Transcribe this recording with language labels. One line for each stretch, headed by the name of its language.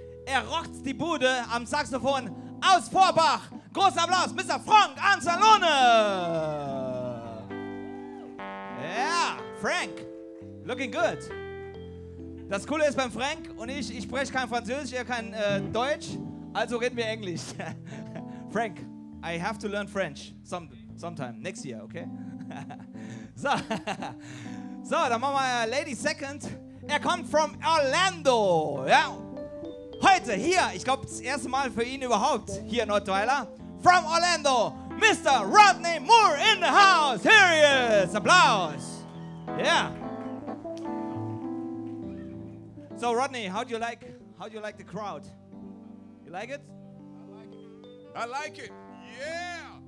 German: Er rockt die Bude am Saxophon aus Vorbach. Großen Applaus, Mr.
English: Franck Ansalone. Ja, Frank, looking good.
German: Das Coole ist beim Frank und ich spreche kein Französisch, er kein Deutsch, also reden wir Englisch.
English: Frank, I have to learn French sometime, next year, okay?
German: So. So, dann machen wir Lady Second. Er kommt
English: from Orlando,
German: ja. Heute hier, ich glaube das erste Mal für ihn überhaupt hier in Ottweiler.
English: From Orlando. Mr. Rodney Moore in the house. Here he is. Applaus. Yeah. So, Rodney, how do you like the crowd? You like it? I like it. Yeah.